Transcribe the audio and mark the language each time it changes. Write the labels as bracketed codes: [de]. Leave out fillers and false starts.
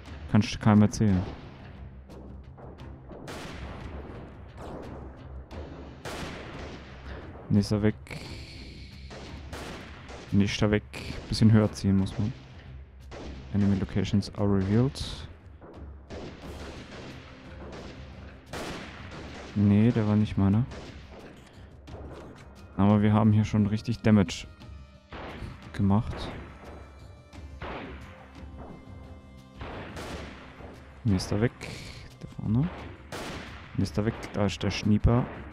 [de] Kann ich keinem erzählen. Nächster weg. Nächster weg. Bisschen höher ziehen muss man. [en] Enemy locations are revealed. [de] Nee, der war nicht meiner. Aber wir haben hier schon richtig Damage gemacht. Nächster weg. Da vorne. Nächster weg. Da ist der Schnieper.